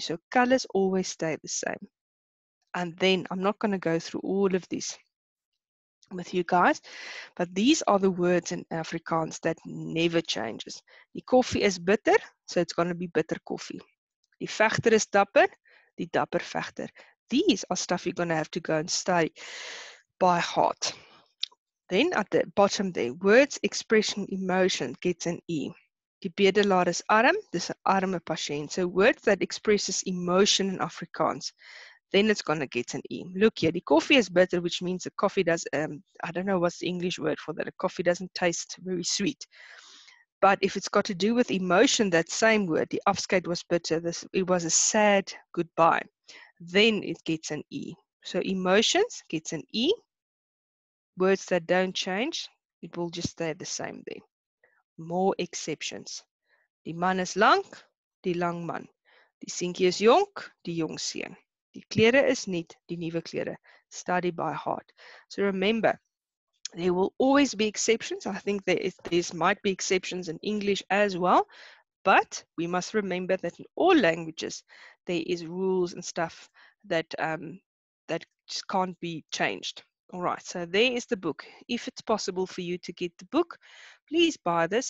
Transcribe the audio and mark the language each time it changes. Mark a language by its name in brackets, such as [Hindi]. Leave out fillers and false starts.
[English] So colors always stay the same. And then, I'm not going to go through all of these with you guys, but these are the words in Afrikaans that never changes. [Afrikaans] Die koffie is bitter, so it's going to be bitter koffie. Die vechter is dapper, die dapper vechter. [English] These are stuff you're going to have to go and study by heart. Then at the bottom there, words, expression, emotion gets an E. [Afrikaans] Die bedelaar is arm, dis 'n arme pasiënt. [English] So words that expresses emotion in Afrikaans, then it's going to get an E. Look here, die koffie is bitter, which means the coffee does, I don't know what's the English word for that, the coffee doesn't taste very sweet. But if it's got to do with emotion, that same word, die afskeid was bitter, this, it was a sad goodbye, then it gets an E. So emotions gets an E. Words that don't change, it will just stay the same there. [Afrikaans] More exceptions. Die man is lank, die lang man. Die seentjie is jonk, die jong seun. Die klere is nuut, die nuwe klere. [English] Study by heart. So remember, there will always be exceptions. I think there might be exceptions in English as well. But we must remember that in all languages, there is rules and stuff that just can't be changed. All right, so there is the book. If it's possible for you to get the book, please buy this.